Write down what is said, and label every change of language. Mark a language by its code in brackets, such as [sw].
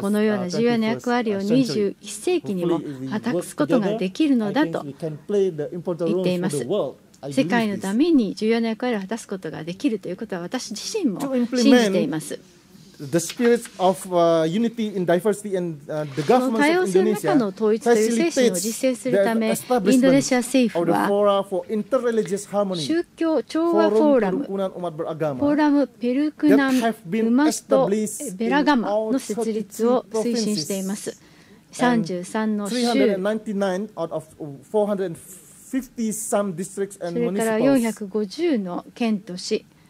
[ja] このような重要な役割を21世紀にも果たすことができるのだと言っています。世界のために重要な役割を果たすことができるということは私自身も信じています。 [en] The spirit of unity in diversity and the government of Indonesia facilitates the establishment of the fora for interreligious harmony. [ja] 宗教調和フォーラム、 [id] フォーラム、umat beragama, [ja] フォーラム、ペルクナム、ウマとベラガマの設立を推進しています。 33の州、それから450の県と市。